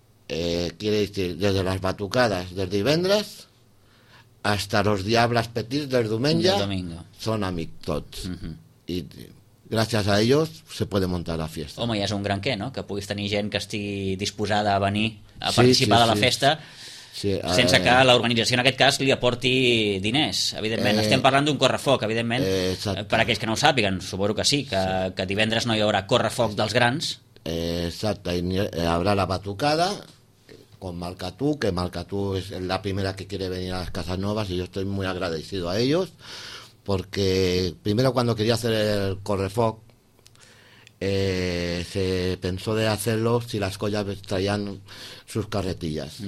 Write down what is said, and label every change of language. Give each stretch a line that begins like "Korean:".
Spanish: Quiere decir, desde las batucadas del divendres hasta los
Catalan: diables petits del diumenge
Spanish: son amictots. Uh-huh.
Catalan: I gràcies a ells
Spanish: se puede montar la fiesta.
Catalan: Home, ja és un gran què, no? Que puguis tenir gent que estigui disposada a venir a participar de la festa sense que l'organització en aquest cas li aporti diners. Evidentment, estem parlant d'un correfoc, evidentment, per aquells que no ho sàpiguen, suposo que sí, que divendres no hi haurà correfoc dels grans.
Spanish: Exacto, habrá la batucada con Malcatú, que Malcatú es la primera que quiere venir a las Casas Novas y yo estoy muy agradecido a ellos, porque primero cuando quería hacer el correfoc se pensó de hacerlo si las collas traían sus carretillas.